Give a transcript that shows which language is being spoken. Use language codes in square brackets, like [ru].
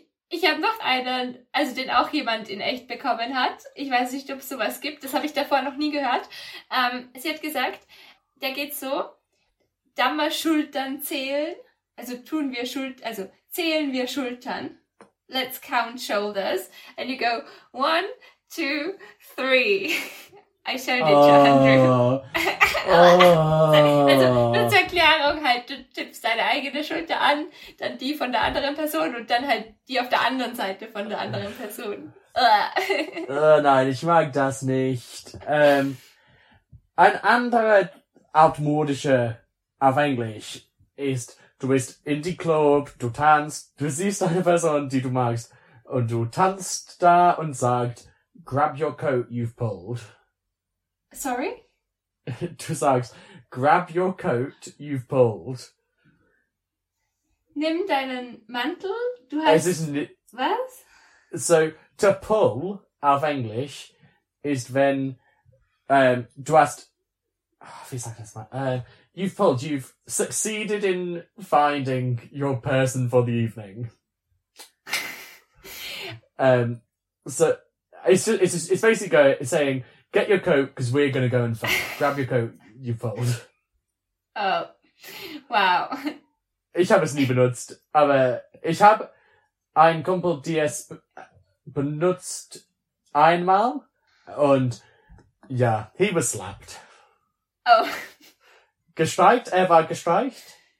[de] Ich habe noch einen, also den auch jemand in echt bekommen hat. Ich weiß nicht, ob es sowas gibt. Das habe ich davor noch nie gehört. Sie hat gesagt, der geht so, zählen wir Schultern. [en] Let's count shoulders. And you go, 1, 2, 3. I showed it to Andrew. [de] Also, nur zur Erklärung, halt, du tippst deine eigene Schulter an, dann die von der anderen Person und dann halt die auf der anderen Seite von der anderen Person. Nein, ich mag das nicht. Ein anderer altmodischer auf Englisch ist, du bist in die Club, du tanzt, du siehst eine Person, die du magst, und du tanzt da und sagst, [en] grab your coat you've pulled. Sorry? [de] Du sagst, [en] grab your coat you've pulled. [de] Nimm deinen Mantel, du hast... Was? [en] So, to pull, [de] auf Englisch, ist wenn du hast Wie sagt das mal? [en] You've succeeded in finding your person for the evening. So it's basically saying, get your coat because we're gonna go and fight. Grab your coat, you've pulled. Oh, wow. [de] Ich habe es nie benutzt, aber ich habe einen Kumpel, die es benutzt einmal und ja, [en] he was slapped. Oh. [de] Gestreicht? Er war gestreicht?